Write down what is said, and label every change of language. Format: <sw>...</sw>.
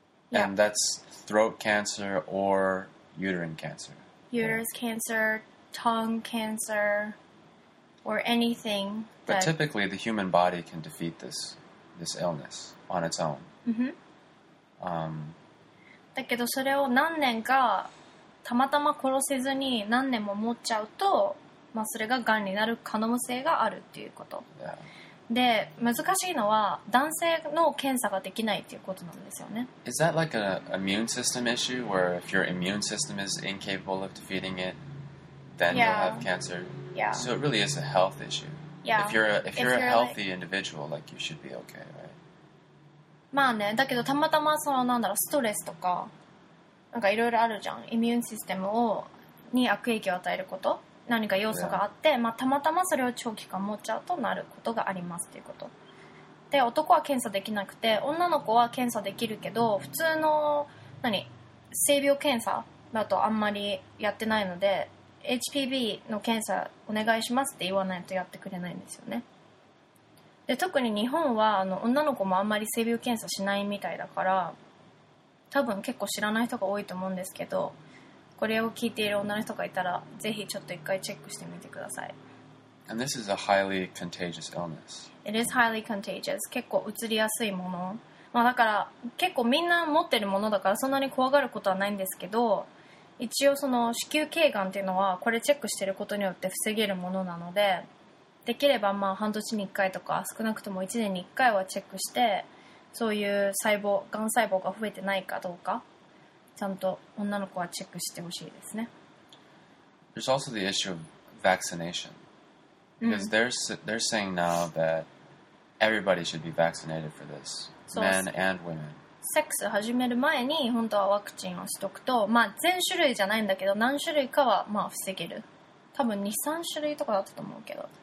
<en>Yeah. And that's throat cancer or uterine cancer. Uterus cancer, tongue cancer, or anything. But typically the human body can defeat this illness on its own. Mm-hmm.</en> <ja>だけどそれを何年かたまたま殺せずに何年も持っちゃうと、まあ、それががんになる可能性があるっていうこと。</ja> <en>Yeah.</en> <ja>で、難しいのは男性の検査ができないっていうことなんですよね。</ja> <en>Is that like an immune system issue where if your immune system is incapable of defeating it, then yeah. you'll have cancer? Yeah. So it really is a health issue. Yeah. If you're a healthy individual, like you should be okay, right?</en> <ja>まあね、だけどたまたまそのなんだろうストレスとかなんかいろいろあるじゃん、イミューンシステムをに悪影響を与えること何か要素があって、</ja> <en>yeah.</en> <ja>まあたまたまそれを長期間持っちゃうとなることがありますということで、男は検査できなくて女の子は検査できるけど、普通の何性病検査だとあんまりやってないので HPV の検査お願いしますって言わないとやってくれないんですよね。で、特に日本は女の子もあんまり性病検査しないみたいだから、多分結構知らない人が多いと思うんですけど、これを聞いている女の人がいたらぜひちょっと一回チェックしてみてください。</ja> <en>And this is a highly contagious illness. It is highly contagious.</en> <ja>結構うつりやすいもの、まあ、だから結構みんな持ってるものだからそんなに怖がることはないんですけど、一応その子宮頸がんっていうのはこれチェックしてることによって防げるものなので、できればまあ半年に1回とか少なくとも1年に1回はチェックして、そういう細胞、がん細胞が増えてないかどうかちゃんと女の子はチェックしてほしいですね。</ja> <en>There's also the issue of vaccination. Because they're saying now that everybody should be vaccinated for this. Men and women.</en> <ja>セックス始める前に本当はワクチンをしとくと、まあ、全種類じゃないんだけど何種類かはまあ防げる。多分 2,3 種類とかだったと思うけど。</ja>